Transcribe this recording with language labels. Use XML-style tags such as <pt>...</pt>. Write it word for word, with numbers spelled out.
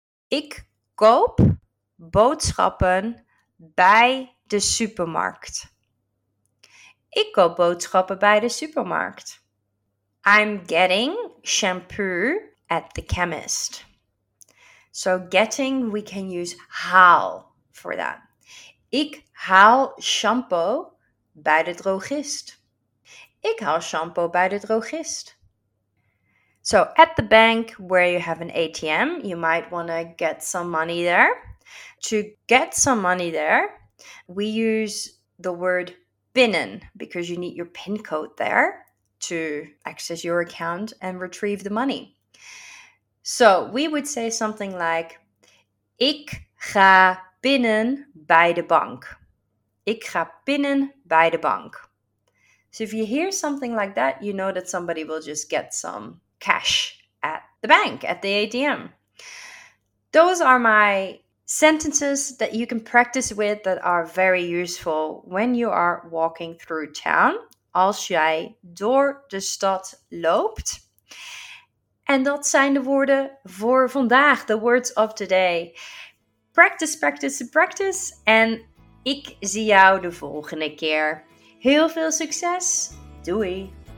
<nl>Ik koop boodschappen bij de supermarkt. Ik koop boodschappen bij de supermarkt.</nl> <en>I'm getting shampoo at the chemist. So getting, we can use haal for that.</en> <nl>Ik haal shampoo bij de drogist. Ik haal shampoo bij de drogist.</nl> <en>So at the bank where you have an A T M, you might want to get some money there. To get some money there, we use the word pinnen because you need your pin code there to access your account and retrieve the money. So we would say something like,</en> <nl>ik ga pinnen bij de bank. Ik ga pinnen bij de bank.</nl> <en>So if you hear something like that, you know that somebody will just get some cash at the bank, at the A T M. Those are my sentences that you can practice with that are very useful when you are walking through town.</en> <nl>Als jij door de stad loopt. En dat zijn de woorden voor vandaag,</nl> <en>the words of today. Practice, practice, practice.</en> <nl>En ik zie jou de volgende keer. Heel veel succes. Doei.</nl>